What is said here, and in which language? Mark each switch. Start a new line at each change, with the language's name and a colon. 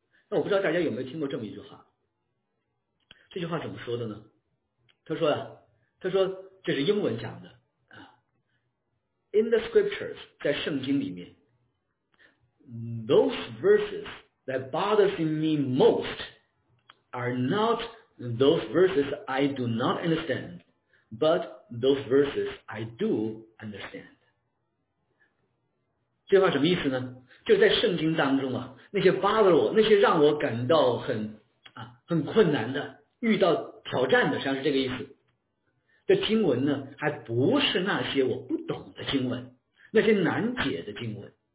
Chinese: 那我不知道大家有没有听过这么一句话，这句话怎么说的呢？他说这是英文讲的啊。
English: In the scriptures,
Chinese: 在圣经里面
English: ,those verses that bothers me most are not those verses I do not understand, but those verses I do understand.
Chinese: 这句话什么意思呢？就是在圣经当中啊，那些 bother 我，那些让我感到很困难的，遇到挑战的，实际上是这个意思。这经文呢，还不是那些我不懂的经文，那些难解的经文。